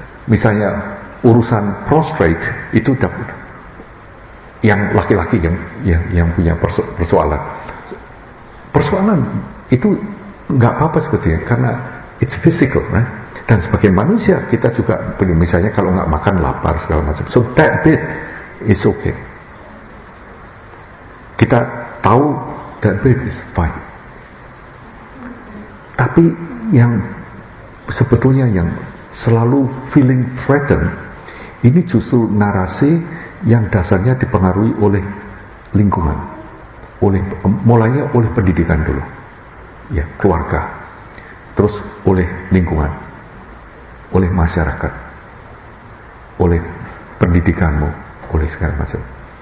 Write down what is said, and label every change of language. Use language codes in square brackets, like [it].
[id] Misalnya urusan prostate itu dapat yang laki-laki yang punya persoalan. Persoalan itu enggak apa-apa sebetulnya karena [en] it's physical, right? [id] Dan sebagai manusia kita juga punya, misalnya kalau enggak makan lapar segala macam. [en] So that bit is okay. [id] Kita tahu [en] that bit is fine. [id] Tapi yang sebetulnya yang selalu [en] feeling threatened, [id] ini justru narasi yang dasarnya dipengaruhi oleh lingkungan, oleh mulanya oleh pendidikan dulu, ya keluarga, terus oleh lingkungan, oleh masyarakat, oleh pendidikanmu, oleh segala macam.